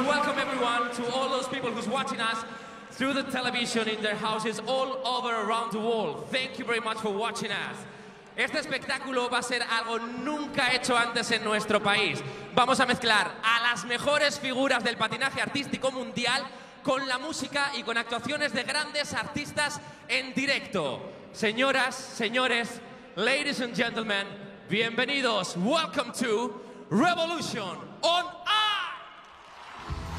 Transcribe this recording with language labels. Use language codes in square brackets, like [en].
[en] Welcome everyone to all those people who's watching us through the television in their houses all over around the world. Thank you very much for watching us. [es] Este espectáculo va a ser algo nunca hecho antes en nuestro país. Vamos a mezclar a las mejores figuras del patinaje artístico mundial con la música y con actuaciones de grandes artistas en directo. Señoras, señores, [en] ladies and gentlemen, [es] bienvenidos. [en] Welcome to Revolution on Ice.